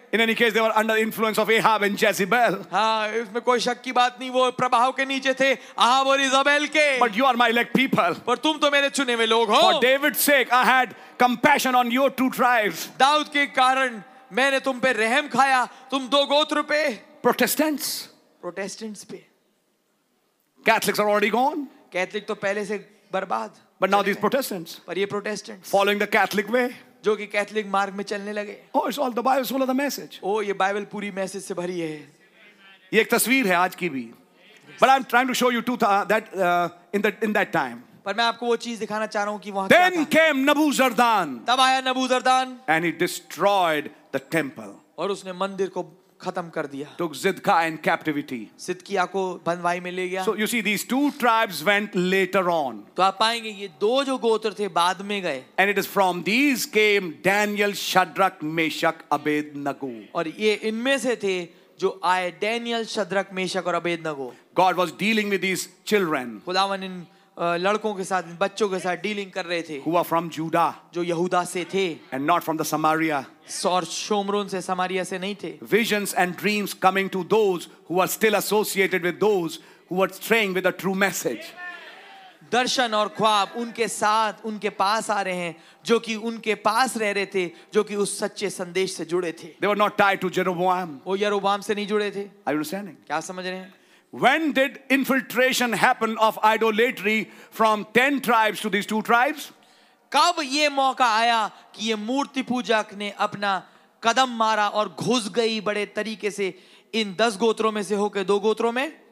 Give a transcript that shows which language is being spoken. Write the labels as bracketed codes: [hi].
[en] In any case, they were under influence of Ahab and Jezebel. [hi] हाँ, इसमें कोई शक की बात नहीं, वो प्रभाव के नीचे थे अहाब और इजाबेल के. [en] But you are my elect people. [hi] पर तुम तो मेरे चुने हुए लोग हो. [en] For David's sake, I had compassion on your 2 tribes. [hi] Dawood के कारण मैंने तुम पे रहम खाया, तुम दो गोत्र पे. [en] Protestants. [hi] Protestants पे. [en] Catholics are already gone. [hi] Catholic तो पहले से बर्बाद. [en] But now these Protestants. [hi] पर ये Protestants. [en] Following the Catholic way. [hi] जो कि Catholic मार्ग में चलने लगे. [en] Oh, it's all the Bible, it's all of the message. [hi] Oh, ये Bible पूरी message से भरी है. ये एक तस्वीर है आज की भी. [en] But I'm trying to show you two in that time. [hi] पर मैं आपको वो चीज दिखाना चाह रहा हूँ कि वहाँ. [en] Then came Nabuzardan. [hi] तब आया Nabuzardan. [en] And he destroyed the temple. [hi] और उसने मंदिर को खत्म कर दिया. [en] Took Zidka in captivity. [hi] सिदकिया को बंदवाई में ले गया. [en] So you see, these two tribes went later on. [hi] तो आप पाएंगे ये दो जो गोत्र थे बाद में गए. [en] And it is from these came Daniel, Shadrach, Meshach, Abednego. [hi] और ये इनमें से थे जो आए डेनियल, शद्रक, मेशक और Abednego. [en] God was dealing with these children. [hi] खुदावन इन लड़कों के साथ, बच्चों के साथ डीलिंग कर रहे थे. [en] Who are from Judah. [hi] जो यहूदा से थे. [en] And not from the Samaria. [hi] और शोमरोन से, समारिया से नहीं थे. [en] Visions and dreams coming to those who are still associated with those who are straying with the true message. [hi] दर्शन और ख्वाब उनके साथ, उनके पास आ रहे हैं जो कि उनके पास रह रहे थे, जो कि उस सच्चे संदेश से जुड़े थे. [en] They were not tied to Jeroboam. [hi] वो यरोबाम से नहीं जुड़े थे. [en] Are you understanding? [hi] क्या समझ रहे हैं? [en] When did infiltration happen of idolatry from 10 tribes to these 2 tribes? [hi] कब ये मौका आया कि ये मूर्ति पूजक ने अपना कदम मारा और घुस गई बड़े तरीके से इन 10 गोत्रों में से होकर 2 गोत्रों में?